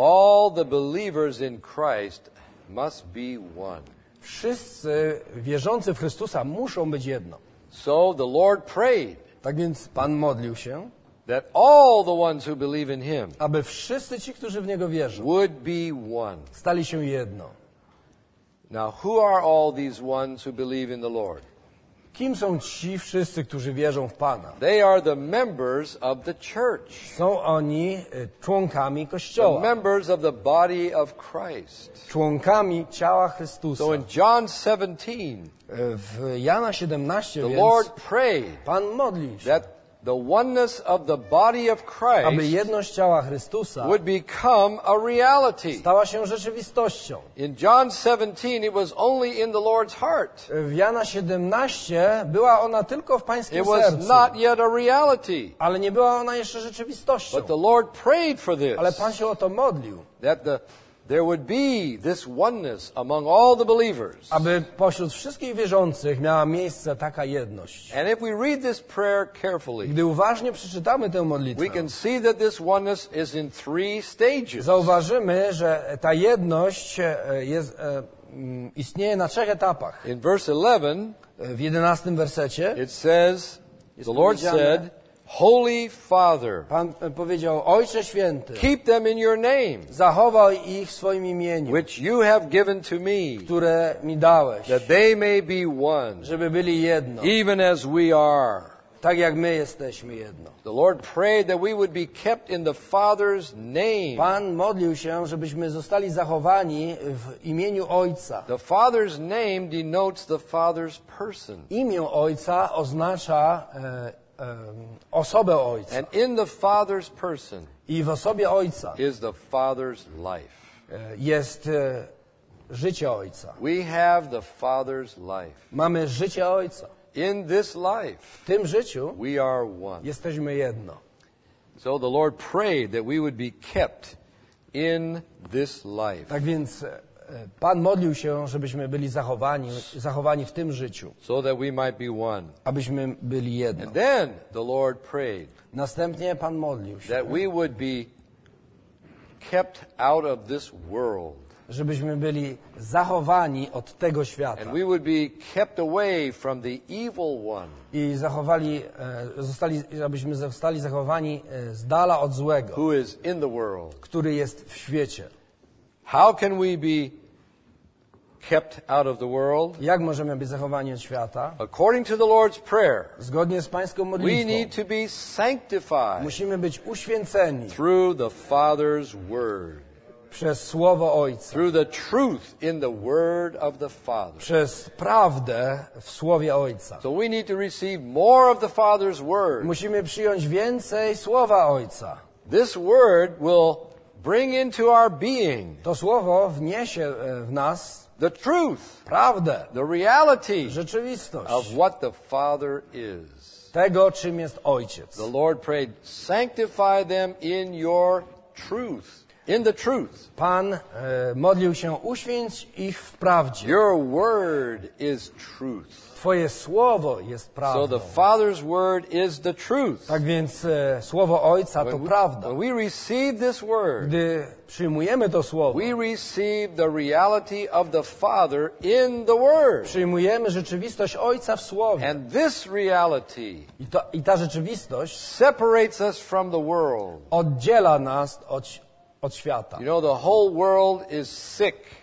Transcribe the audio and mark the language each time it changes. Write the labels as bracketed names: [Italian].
[English] all the believers in Christ must be one. [Polish] Wszyscy wierzący w Chrystusa muszą być jedno. [English] So the Lord prayed. [Polish] Tak więc Pan modlił się, [English] that all the ones who believe in Him, [Polish] aby wszyscy ci, którzy w Niego wierzą, [English] would be one. [Polish] Stali się jedno. [English] Now, who are all these ones who believe in the Lord? [Polish] Kim są ci wszyscy, którzy wierzą w Pana? [English] They are the members of the church. [Polish] Są oni członkami Kościoła. [English] The members of the body of Christ. [Polish] Członkami ciała Chrystusa. [English] So in John 17, [Polish] w Jana 17, [English] the Lord prayed, [Polish] Pan modlił się, [English] that the oneness of the body of Christ, [Polish] aby jedność ciała Chrystusa, [English] would become a reality. [Polish] Stała się rzeczywistością. [English] In John 17, it was only in the Lord's heart. [Polish] W Jana 17 była ona tylko w Pańskim sercu. [English] It was not yet a reality. [Polish] Ale nie była ona jeszcze rzeczywistością. [English] But the Lord prayed for this. [Polish] Ale Pan się o to modlił. [English] That there would be this oneness among all the believers. [Polish] Aby pośród wszystkich wierzących miała miejsce taka jedność. [English] And if we read this prayer carefully, [Polish] gdy uważnie przeczytamy tę modlitwę, [English] we can see that this oneness is in three stages. [Polish] Zauważymy, że ta jedność jest istnieje na trzech etapach. [English] In verse 11, [Polish] w 11 wersecie, [English] it says, the Lord said, Holy Father, [Polish] Pan powiedział, Ojcze Święty, [English] keep them in your name, [Polish] zachowaj ich w swoim imieniu, [English] which you have given to me, [Polish] które mi dałeś, [English] that they may be one, [Polish] żeby byli jedno, [English] even as we are, [Polish] tak jak my jesteśmy jedno. [English] The Lord prayed that we would be kept in the Father's name. [Polish] Pan modlił się, żebyśmy zostali zachowani w imieniu Ojca. [English] The Father's name denotes the Father's person. [Polish] Imię Ojca oznacza osobę Ojca. [English] And in the Father's person, [Polish] i w osobie Ojca, [English] is the Father's life. [Polish] Jest życie Ojca. [English] We have the Father's life. [Polish] Mamy życie Ojca. [English] In this life, [Polish] w tym życiu, [English] we are one. [Polish] Jesteśmy jedno. [English] So the Lord prayed that we would be kept in this life. [Polish] Tak więc Pan modlił się, żebyśmy byli zachowani w tym życiu. [English] So that we might be one. [Polish] Abyśmy byli jedno. [English] And then the Lord prayed. [Polish] Następnie Pan modlił się. [English] That we would be kept out of this world. [Polish] Żebyśmy byli zachowani od tego świata. [English] And we would be kept away from the evil one. [Polish] I zachowali, zostali, abyśmy zostali zachowani z dala od złego. [English] Who is in the world. [Polish] Który jest w świecie. [English] How can we be kept out of the world? [Polish] Jak możemy być zachowani od świata? [English] According to the Lord's prayer. [Polish] Zgodnie z Pańską modlitwą. [English] We need to be sanctified. [Polish] Musimy być uświęceni. [English] Through the Father's word. [Polish] Przez słowo Ojca. [English] Through the truth in the word of the Father. [Polish] Przez prawdę w słowie Ojca. [English] So we need to receive more of the Father's word. [Polish] Musimy przyjąć więcej słowa Ojca. [English] This word will bring into our being. [Polish] To słowo wniesie w nas [English] the truth, [Polish] prawdę, [English] the reality, [Polish] rzeczywistość [English] of what the Father is. [Polish] Tego, czym jest Ojciec. [English] The Lord prayed, sanctify them in your truth. In the truth. [Polish] Pan modlił się, uświęć ich w prawdzie. [English] Your word is truth. [Polish] Twoje słowo jest prawdą. [English] So the Father's word is the truth. [Polish] Tak więc słowo Ojca to prawda. [English] When we receive this word, [Polish] gdy przyjmujemy to słowo, [English] we receive the reality of the Father in the word. [Polish] Przyjmujemy rzeczywistość Ojca w słowie. [English] And this reality [Polish] I ta rzeczywistość [English] separates us from the world. [Polish] Oddziela nas od świata. [English] You know, the whole world is sick.